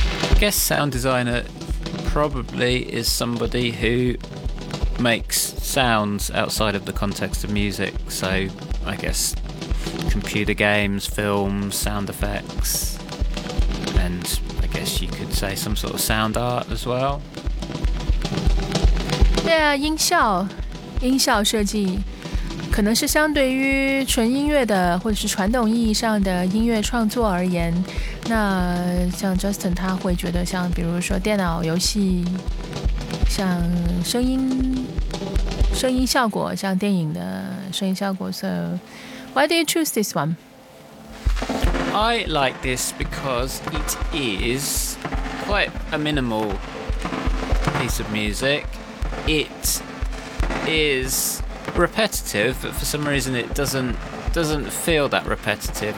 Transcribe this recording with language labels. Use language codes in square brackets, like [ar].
[en] I guess sound designer probably is somebody who makes sounds outside of the context of music. So I guess computer games, films, sound effects, and I guess you could say some sort of sound art as well. [zh] 对啊，音效设计可能是相对于纯音乐的或者是传统意义上的音乐创作而言，那像 Justin 他会觉得像比如说电脑游戏，像声音效果，像电影的声音效果。 [en] So why do you choose this one? I like this because it is quite a minimal piece of musicIt is repetitive, but for some reason it doesn't feel that repetitive.